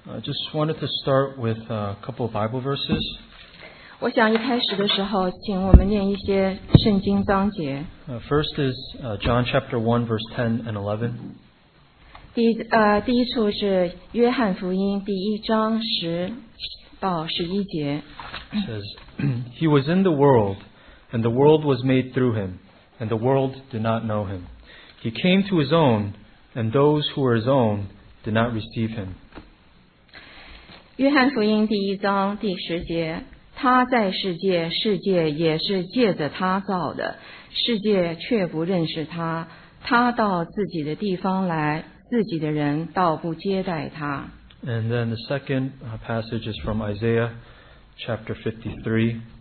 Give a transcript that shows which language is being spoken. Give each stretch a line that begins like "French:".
English: Just wanted to start with a couple of Bible verses.
Chinese: 我想一开始的时候，请我们念一些圣经章节。
English: First is John chapter 1, verse 10 and 11.
Chinese: 第一处是约翰福音第一章十到十一节。
English: It says, He was in the world, and the world was made through him, and the world did not know him. He came to his own, and those who were his own did not receive him.
Chinese: 约翰福音第一章第十节，他在世界，世界也是借着他造的，世界却不认识他。他到自己的地方来，自己的人倒不接待他。
English: And then the second passage is from Isaiah chapter 53.